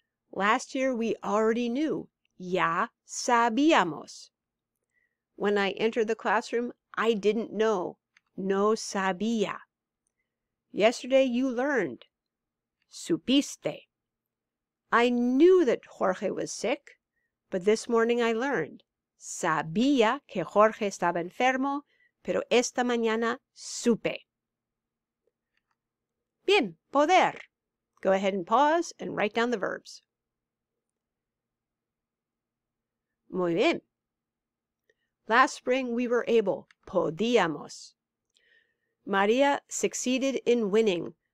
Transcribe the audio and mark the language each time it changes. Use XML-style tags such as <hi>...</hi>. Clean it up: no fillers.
<en>Last year, we already knew,</en> <es>ya sabíamos.</es> <en>When I entered the classroom, I didn't know.</en> <es>No sabía.</es> <en>Yesterday you learned.</en> <es>Supiste.</es> <en>I knew that Jorge was sick, but this morning I learned.</en> <es>Sabía que Jorge estaba enfermo, pero esta mañana supe. Bien, poder.</es> <en>Go ahead and pause and write down the verbs.</en> <es>Muy bien.</es> <en>Last spring, we were able.</en> <es>Podíamos.</es> <en>María succeeded in winning.</en>